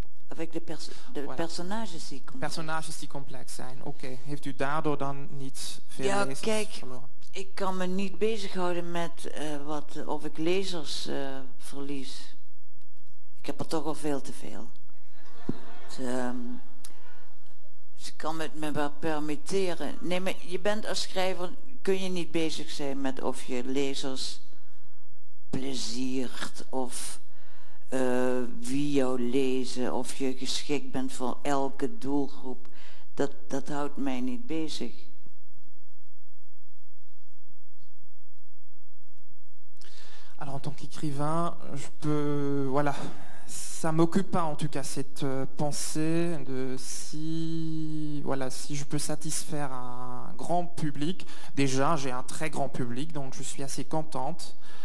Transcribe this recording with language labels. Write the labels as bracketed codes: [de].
[fr] Avec des personnages si complexes. Personnages si complexes, hein. Ok. [nl] Heeft u daardoor dan niet veel lezers verloren? Ja, kijk, ik kan me niet bezighouden met of ik lezers verlies. Ik heb er toch al veel te veel. Ik kan het me wel permitteren. Nee, maar je bent als schrijver, kun je niet bezig zijn met of je lezers pleziert of wie jou lezen of je geschikt bent voor elke doelgroep. Dat houdt mij niet bezig. [fr] Alors, en tant qu'écrivain, je peux... Voilà. Ça m'occupe pas, en tout cas, cette pensée de si je peux satisfaire un grand public. Déjà, j'ai un très grand public, donc je suis assez contente.